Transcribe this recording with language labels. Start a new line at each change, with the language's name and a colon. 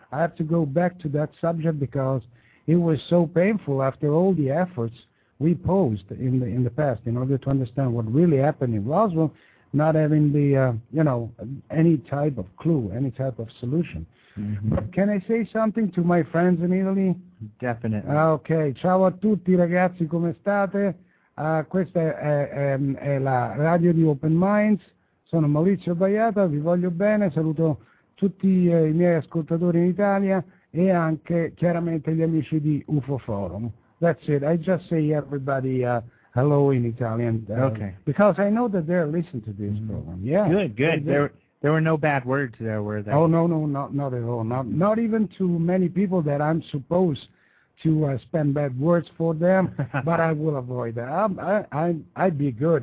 English: I have to go back to that subject because it was so painful after all the efforts we posed in the past in order to understand what really happened in Roswell, not having the any type of clue, any type of solution. Mm-hmm. Can I say something to my friends in Italy? Definitely.
Italian: Okay. Ciao a tutti, ragazzi. Come state? Questa è la radio di Open Minds. Sono Maurizio Baiata. Vi voglio bene. Saluto tutti i miei ascoltatori in Italia e anche chiaramente gli amici di UFO Forum.
English: That's it. I just say everybody hello in Italian. Okay. Because I know that they're listening to this program. Yeah. Good. There were no bad words there, were there? Oh, no, not at all. Not even to many people that I'm supposed to spend bad words for them, but I will avoid that. I'd be good.